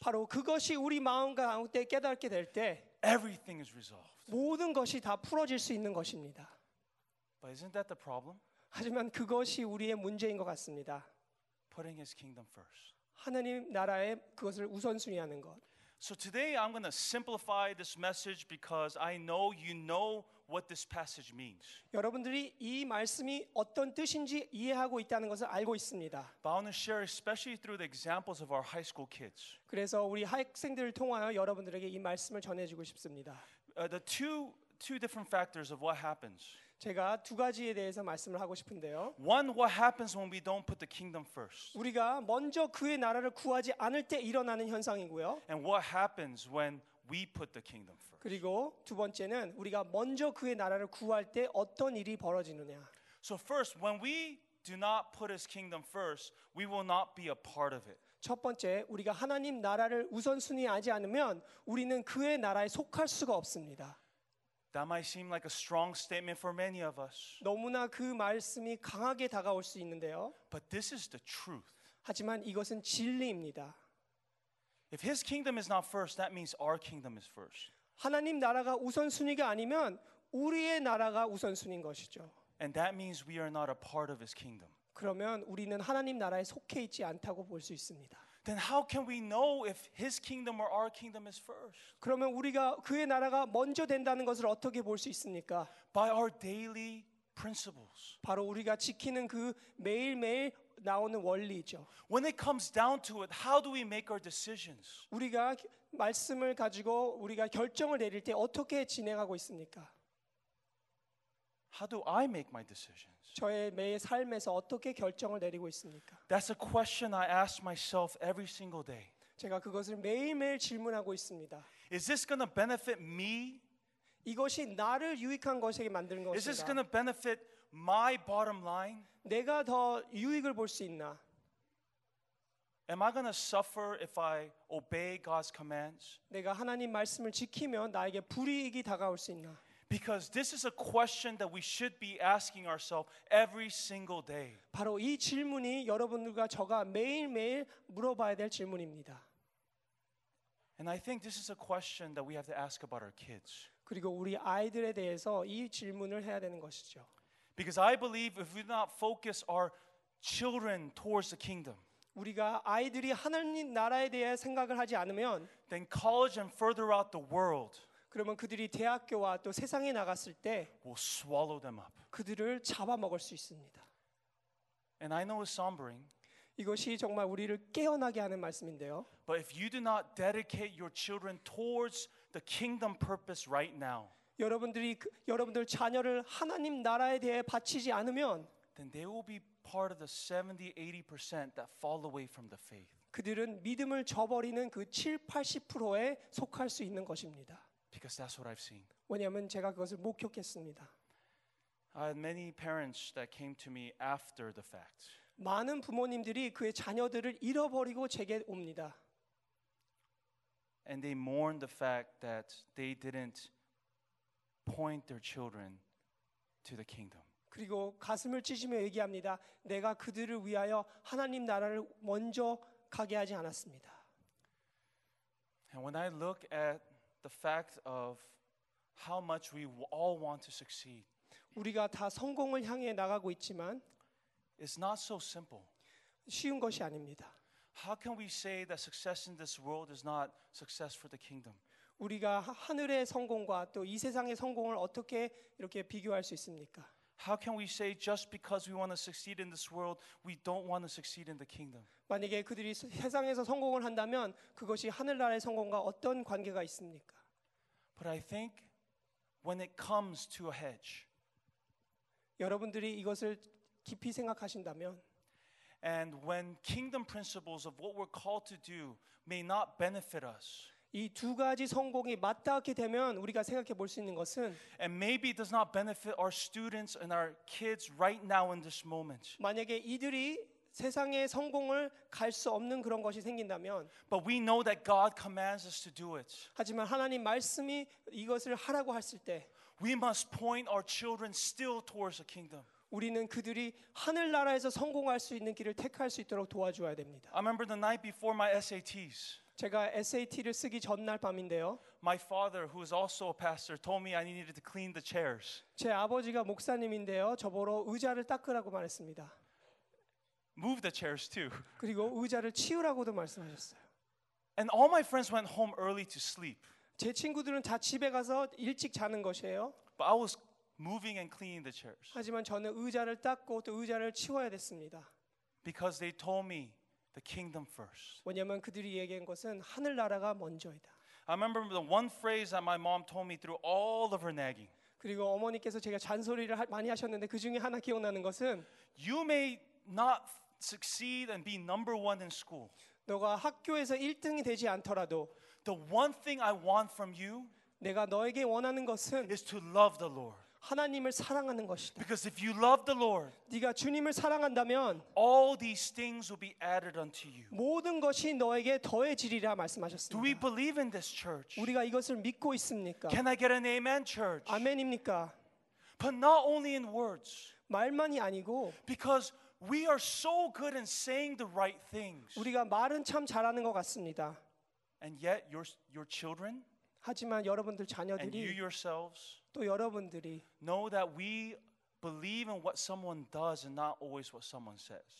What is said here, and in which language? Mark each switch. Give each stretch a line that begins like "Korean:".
Korean: 바로 그것이 우리 마음 가운데 깨닫게 될 때
English: everything is resolved.
Korean: 모든 것이 다 풀어질 수 있는 것입니다.
English: But isn't that the problem?
Korean: 하지만 그것이 우리의 문제인 것 같습니다.
English: Putting his kingdom first.
Korean: 하나님 나라에 그것을 우선순위하는 것.
English: So today I'm going to simplify this message because I know you know what this passage means.
Korean: 여러분들이 이 말씀이 어떤 뜻인지 이해하고 있다는 것을 알고 있습니다.
English: But I want to share especially through the examples of our high school kids.
Korean: 그래서 우리 학생들을 통하여 여러분들에게 이 말씀을 전해주고 싶습니다.
English: The two different factors of what happens.
Korean: 제가 두 가지에 대해서 말씀을 하고 싶은데요.
English: One, what happens when we don't put the kingdom first?
Korean: 우리가 먼저 그의 나라를 구하지 않을 때 일어나는 현상이고요.
English: And what happens when we put the kingdom first?
Korean: 그리고 두 번째는 우리가 먼저 그의 나라를 구할 때 어떤 일이 벌어지느냐.
English: So first, when we do not put his kingdom first, we will not be a part of it.
Korean: 첫 번째, 우리가 하나님 나라를 우선순위 하지 않으면 우리는 그의 나라에 속할 수가 없습니다.
English: That might seem like a strong statement for many of us.
Korean: 너무나 그 말씀이 강하게 다가올 수 있는데요.
English: But this is the truth.
Korean: 하지만 이것은 진리입니다.
English: If his kingdom is not first, that means our kingdom is first.
Korean: 하나님 나라가 우선순위가 아니면 우리의 나라가 우선순위인 것이죠.
English: And that means we are not a part of his kingdom.
Korean: 그러면 우리는 하나님 나라에 속해 있지 않다고 볼 수 있습니다.
English: Then how can we know if his kingdom or our kingdom is first?
Korean: 그러면 우리가 그의 나라가 먼저 된다는 것을 어떻게 볼 수 있습니까?
English: By our daily principles.
Korean: 바로 우리가 지키는 그 매일매일 나오는 원리죠.
English: When it comes down to it, how do we make our decisions?
Korean: 우리가 말씀을 가지고 우리가 결정을 내릴 때 어떻게 진행하고 있습니까?
English: How do I make my decisions?
Korean: 저의 매일 삶에서 어떻게 결정을 내리고 있습니까?
English: That's a question I ask myself every single day.
Korean: 제가 그것을 매일매일 질문하고 있습니다.
English: Is this going to benefit me?
Korean: 이것이 나를 유익한 것에게 만드는 것인가?
English: Is this going to benefit my bottom line?
Korean: 내가 더 유익을 볼 수 있나?
English: Am I going to suffer if I obey God's commands?
Korean: 내가 하나님 말씀을 지키면 나에게 불이익이 다가올 수 있나?
English: Because this is a question that we should be asking ourselves every single day.
Korean: 바로 이 질문이 여러분들과 저가 매일매일 물어봐야 될 질문입니다.
English: And I think this is a question that we have to ask about our kids.
Korean: 그리고 우리 아이들에 대해서 이 질문을 해야 되는 것이죠.
English: Because I believe if we do not focus our children towards the kingdom,
Korean: 우리가 아이들이 하나님 나라에 대해 생각을 하지 않으면,
English: then college and further out the world,
Korean: 그러면 그들이 대학교와 또 세상에 나갔을 때
English: will swallow them up.
Korean: 그들을 잡아먹을 수 있습니다.
English: And I know it's sombering.
Korean: 이것이 정말 우리를 깨어나게 하는 말씀인데요.
English: But if you do not dedicate your children towards the kingdom purpose right now,
Korean: 여러분들이 여러분들 자녀를 하나님 나라에 대해 바치지 않으면,
English: then they will be part of the 70-80% that fall away from the faith.
Korean: 그들은 믿음을 저버리는 그 7-80%에 속할 수 있는 것입니다.
English: Because that's what I've seen.
Korean: 왜냐하면 제가 그것을 목격했습니다.
English: I had many parents that came to me after the fact.
Korean: 많은 부모님들이 그의 자녀들을 잃어버리고 제게 옵니다.
English: And they mourn the fact that they didn't point their children to the kingdom.
Korean: 그리고 가슴을 찢으며 얘기합니다. 내가 그들을 위하여 하나님 나라를 먼저 가게 하지 않았습니다.
English: And when I look at the fact of how much we all want to succeed,
Korean: 우리가 다 성공을 향해 나가고 있지만,
English: it's not so simple.
Korean: 쉬운 것이 아닙니다.
English: How can we say that success in this world is not success for the kingdom?
Korean: 우리가 하늘의 성공과 또 이 세상의 성공을 어떻게 이렇게 비교할 수 있습니까?
English: How can we say just because we want to succeed in this world, we don't want to succeed in the kingdom?
Korean: 만약에 그들이 세상에서 성공을 한다면 그것이 하늘나라의 성공과 어떤 관계가 있습니까?
English: But I think when it comes to a hedge,
Korean: 여러분들이 이것을 깊이 생각하신다면,
English: and when kingdom principles of what we're called to do may not benefit us,
Korean: 이 두 가지 성공이 맞닿게 되면 우리가 생각해 볼 수 있는 것은,
English: and maybe it does not benefit our students and our kids right now in this moment.
Korean: 만약에 이들이 세상에 성공을 갈 수 없는 그런 것이 생긴다면,
English: but we know that God commands us to do it.
Korean: 하지만 하나님 말씀이 이것을 하라고 했을 때,
English: we must point our children still towards the kingdom.
Korean: 우리는 그들이 하늘나라에서 성공할 수 있는 길을 택할 수 있도록 도와줘야 됩니다.
English: I remember the night before my SATs.
Korean: 제가 SAT를 쓰기 전날 밤인데요.
English: My father, who is also a pastor, told me I needed to clean the chairs.
Korean: 제 아버지가 목사님인데요. 저보러 의자를 닦으라고 말했습니다.
English: Move the chairs too.
Korean: 그리고 의자를 치우라고도 말씀하셨어요.
English: And all my friends went home early to sleep.
Korean: 제 친구들은 다 집에 가서 일찍 자는 것이에요.
English: But I was moving and cleaning the chairs.
Korean: 하지만 저는 의자를 닦고 또 의자를 치워야 됐습니다.
English: Because they told me the kingdom first.
Korean: 왜냐면 그들이 얘기한 것은 하늘나라가 먼저이다.
English: I remember the one phrase that my mom told me through all of her nagging.
Korean: 그리고 어머니께서 제가 잔소리를 많이 하셨는데 그 중에 하나 기억나는 것은,
English: you may not succeed and be number one in school.
Korean: 너가 학교에서 1등이 되지 않더라도,
English: the one thing I want from you,
Korean: 내가 너에게 원하는 것은,
English: is to love the Lord.
Korean: 하나님을 사랑하는 것이다.
English: Because if you love the Lord,
Korean: 네가 주님을 사랑한다면,
English: all these things will be added unto you.
Korean: 모든 것이 너에게 더해지리라 말씀하셨습니다.
English: Do we believe in this church?
Korean: 우리가 이것을 믿고 있습니까?
English: Can I get an amen, church?
Korean: 아멘입니까?
English: But not only in words.
Korean: 말만이 아니고,
English: because we are so good in saying the right things.
Korean: 우리가 말은 참 잘하는 것 같습니다.
English: And yet, your children.
Korean: 하지만 여러분들 자녀들이
English: and you yourselves
Korean: 또 여러분들이
English: know that we believe in what someone does and not always what someone says.